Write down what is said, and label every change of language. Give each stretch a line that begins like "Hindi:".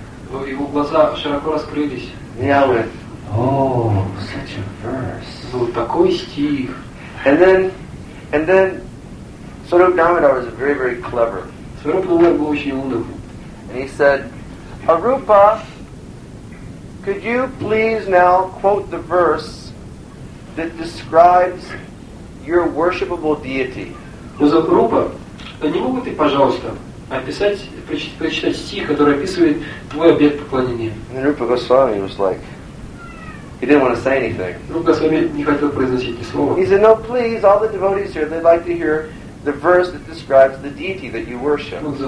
Russian: Его глаза широко раскрылись.
English: Yeah, with oh, such a verse.
Russian: Ну, такой стих.
English: And then Swarup Damodar was very, very clever.
Russian: Swarup Damodar был очень умным.
English: And he said, Arupa, could you please now quote the verse that describes your worshipable deity?
Russian: Ну, Arupa, не мог бы ты, пожалуйста, описать, прочитать стих, который описывает твой объект поклонения?
English: And then Rupa Goswami was like, he didn't want to say anything. He said, no, please, all the devotees here, they'd like to hear the verse that describes the deity that you worship.